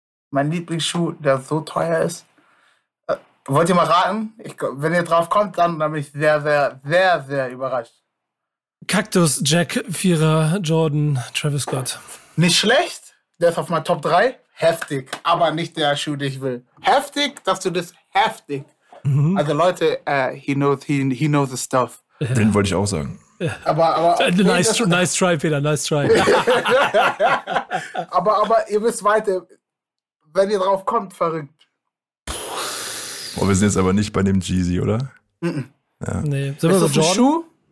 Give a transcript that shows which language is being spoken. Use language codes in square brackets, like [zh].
[de] Mein Lieblingsschuh, der so teuer ist. Wollt ihr mal raten? Wenn ihr drauf kommt, dann bin ich sehr, sehr, sehr, sehr überrascht. Cactus Jack 4er Jordan Travis Scott. Nicht schlecht, der ist auf meinem Top 3. Heftig, aber nicht der Schuh, den ich will. Heftig, dass du das heftig. Also Leute, [en] he knows the stuff. [de] Ja. Den wollte ich auch sagen. Ja. Aber [en] nice try, Peter, nice try. [de] aber ihr wisst weiter, wenn ihr drauf kommt, verrückt. Boah, wir sind jetzt aber nicht bei dem Jeezy, oder? Ja. Nee. Sind wir bei Jordan? Schuh?